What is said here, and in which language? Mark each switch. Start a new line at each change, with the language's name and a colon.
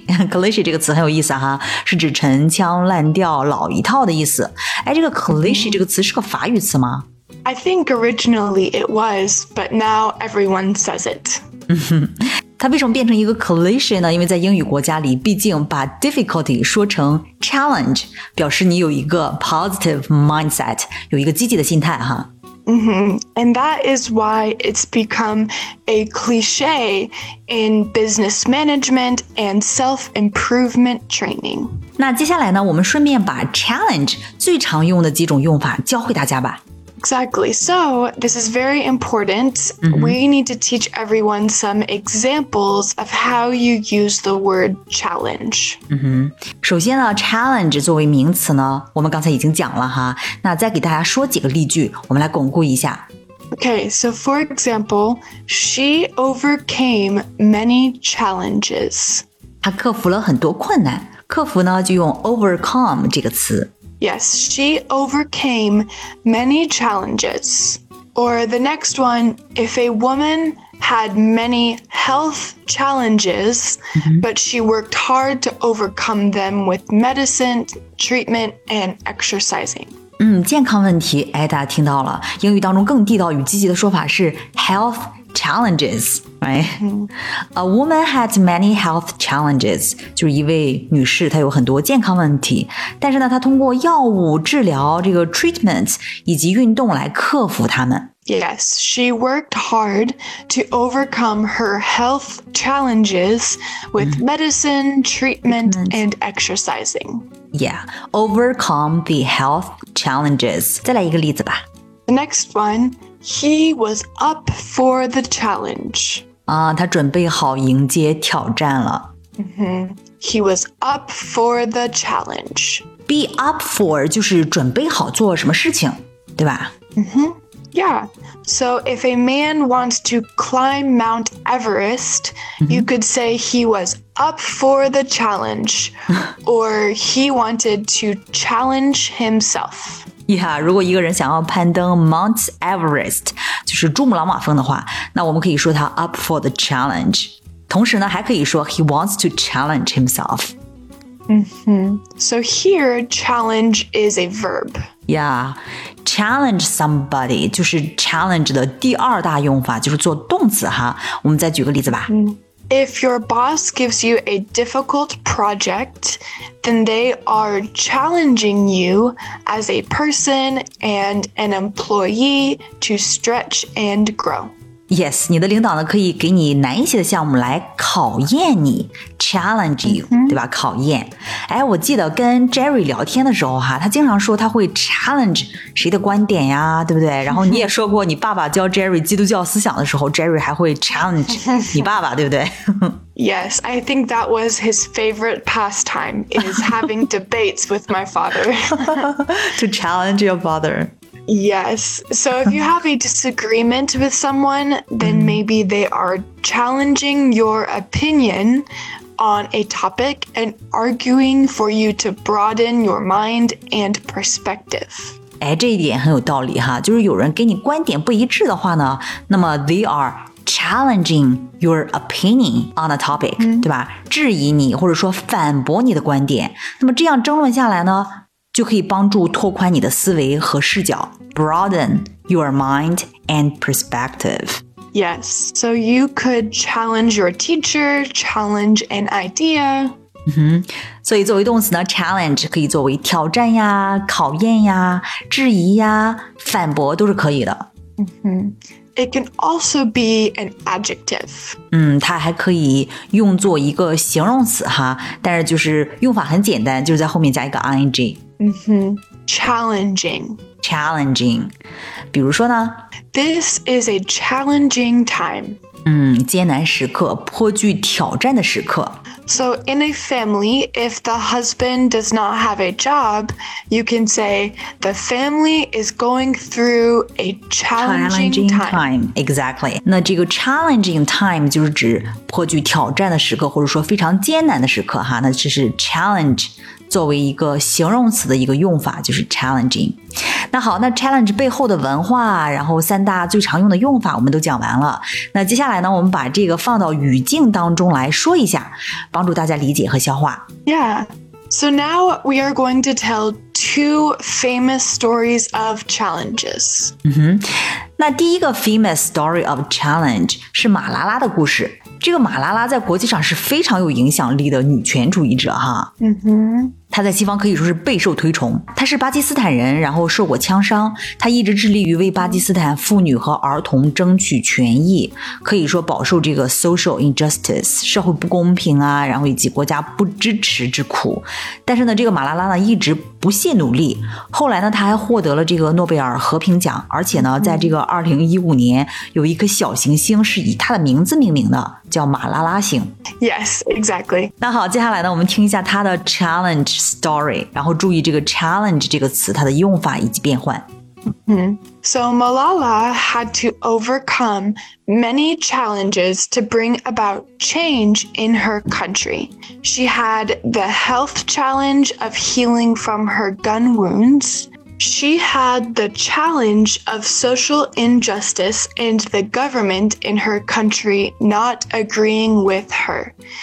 Chinese: Cliche 这个词很有意思哈，是指陈腔滥调老一套的意思。哎，这个 cliche 这个词是个法语词吗？
English: I think originally it was, but now everyone says it.
Chinese: 它为什么变成一个 cliche 呢？因为在英语国家里，毕竟把 difficulty 说成 challenge， 表示你有一个
English: positive mindset，
Chinese: 有一个积极的心态哈。
English: And that is why it's become a cliche in business management and self-improvement training.
Chinese: 那接下来呢，我们顺便把 challenge 最常用的几种用法教会大家吧。
English: Exactly. So, this is very important. We need to teach everyone some examples of how you use the word challenge.
Chinese: 首先呢 challenge 作为名词呢，我们刚才已经讲了哈。那再给大家说几个例句，我们来巩固一下。
English: Okay, so for example, she overcame many challenges.
Chinese: 她克服了很多困难，克服呢就用 overcome 这个词。
English: Yes, she overcame many challenges. Or the next one, if a woman had many health challenges, but she worked hard to overcome them with medicine, treatment, and exercising.
Chinese: 健康问题，哎，大家听到了，英语当中更地道与积极的说法是 health challenges,
English: right? A woman had many health challenges.
Chinese: 就是一位女士，她有很多健康问题，但是呢，她通过药物治疗，这个 treatment 以及运动来克服她们。
English: Yes, she worked hard to overcome her health challenges with medicine, treatment, and exercising. Yeah, overcome the health challenges.
Chinese: 再来一个例子吧。
English: The next one. He was up for the challenge.
Chinese: 他准备好迎接挑战了。
English: He was up for the challenge.
Chinese: Be up for 就是准备好做什么事情，对吧？
English: Yeah. So if a man wants to climb Mount Everest, you could say he was up for the challenge, or he wanted to challenge himself.
Chinese: Yeah, 如果一个人想要攀登 Mount Everest, 就是珠穆朗玛峰的话，那我们可以说他
English: up for the challenge.
Chinese: 同时呢，还可以说
English: he wants to challenge himself. So here, challenge is a verb.
Chinese: Yeah,
English: challenge somebody,
Chinese: 就是 challenge 的第二大用法，就是做动词哈。我们再举个例子吧。
English: If your boss gives you a difficult project, then they are challenging you as a person and an employee to stretch and grow.
Chinese: Yes, 你的领导呢可以给你难一些的项目来考验你
English: challenge you,、
Chinese: 对吧，考验。哎，我记得跟 Jerry 聊天的时候哈，他经常说他会 challenge 谁的观点呀，对不对？然后你也说过你爸爸教 Jerry 基督教思想的时候Jerry 还会 challenge 你爸爸，对不对？
English: Yes, I think that was his favorite pastime, is having debates with my father. To challenge your father. Yes. So if you have a disagreement with someone, then maybe they are challenging your opinion on a topic and arguing for you to broaden your mind and perspective.
Chinese: 哎，这一点很有道理哈，就是有人跟你观点不一致的话呢，那么
English: they are challenging your opinion on a topic,、
Chinese: 对吧，质疑你或者说反驳你的观点，那么这样争论下来呢，就可以帮助拓宽你的思维和视角，
English: broaden your mind and perspective。 Yes, so you could challenge your teacher, challenge an idea.
Chinese: 所以作为动词呢 challenge 可以作为挑战呀考验呀质疑呀反驳都是可以的。
English: It can also be an adjective.
Chinese: 它还可以用作一个形容词哈，但是就是用法很简单，就是在后面加一个 ing。
English: Challenging. Challenging.
Chinese: 比如说呢
English: This is a challenging time.
Chinese: 艰难时刻颇具挑战的时刻。
English: So in a family, if the husband does not have a job, you can say the family is going through a challenging time. Exactly.
Chinese: 那这个 challenging time 就是指颇具挑战的时刻，或者说非常艰难的时刻哈。那这是 challenge 作为一个形容词的一个用法，就是 challenging。那好，那 challenge 背后的文化，然后三大最常用的用法我们都讲完了。那接下来呢，我们把这个放到语境当中来说一下，帮助大家理解和消化。
English: Yeah, so now we are going to tell two famous stories of challenges.
Chinese: 那第一个
English: famous story of challenge
Chinese: 是马拉拉的故事。这个马拉拉在国际上是非常有影响力的女权主义者哈。她在西方可以说是备受推崇。她是巴基斯坦人，然后受过枪伤，她一直致力于为巴基斯坦妇女和儿童争取权益，可以说饱受这个 social injustice, 社会不公平啊，然后以及国家不支持之苦。但是呢，这个马拉拉呢一直不懈努力，后来呢她还获得了这个诺贝尔和平奖，而且呢在这个2015年有一颗小行星是以她的名字命名的，叫马拉拉星。
English: Yes, exactly.
Chinese: 那好，接下来呢我们听一下她的
English: challenge story,
Chinese: 然后注意这个 challenge 这个词它的用法以及变换。
English: So Malala had to overcome many challenges to bring about change in her country. She had the health challenge of healing from her gun wounds. She had the challenge of social injustice and the government in her country not agreeing with her.